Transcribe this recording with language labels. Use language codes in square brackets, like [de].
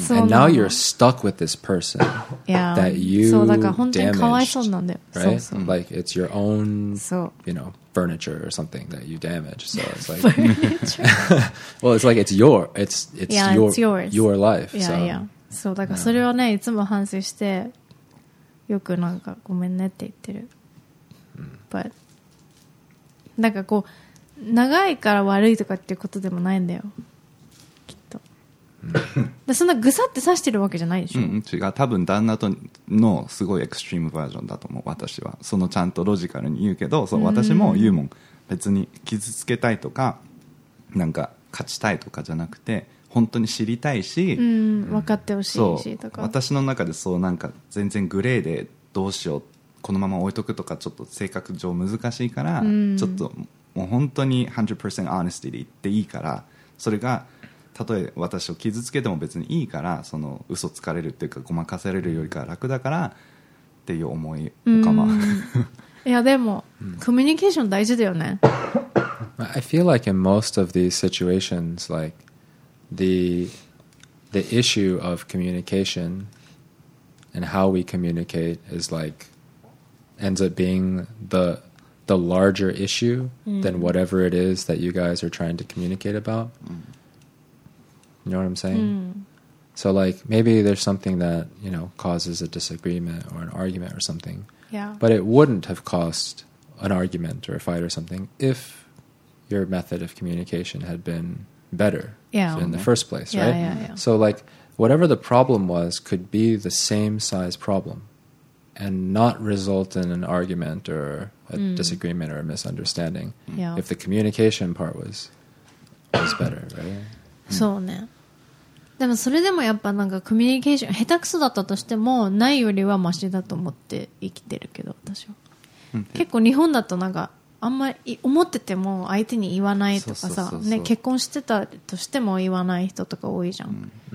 [en] And now you're stuck with this person that you damaged. Right? Like it's your own, you know, furniture or something that you damage. So it's like, well, it's like it's your life. So like, [ja] それはね、いつも反省してよくなんかごめんねって言ってる。 But なんかこう長いから悪いとかっていうことでもないんだよきっと。だそんなぐさって刺してるわけじゃないでしょ。違う、多分旦那とのすごいエクストリームバージョンだと思う。私はそのちゃんとロジカルに言うけど、そう、私も言うもん、別に傷つけたいとかなんか勝ちたいとかじゃなくて、本当に知りたいし、分かってほしいしとか、そう、私の中でそう、なんか全然グレーでどうしようって、このまま置いとくとかちょっと性格上難しいから、ちょっともう本当に [en] 100% honesty [ja] で言っていいから、それがたとえ私を傷つけても別にいいから、その嘘つかれるっていうかごまかされるよりか楽だからっていう思いかな。 Yeah, でも、コミュニケーション大事だよね。 [en] I feel like in most of these situations, like, the issue of communication and how we communicate is like, ends up being the larger issue than whatever it is that you guys are trying to communicate about. You know what I'm saying? So like, maybe there's something that, you know, causes a disagreement or an argument or something. Yeah. But it wouldn't have caused an argument or a fight or something if your method of communication had been better in the first place, right? Yeah, yeah, yeah. So like, whatever the problem was could be the same size problem and not result in an argument or a disagreement or a misunderstanding if the communication part was better, right? [ja] そうね。でもそれでもやっぱなんかコミュニケーション下手くそだったとしてもないよりはマシだと思って生きてるけど私は。結構日本だとなんかあんまり思ってても相手に言わないとかさ、ね、結婚してたとしても言わない人とか多いじゃん。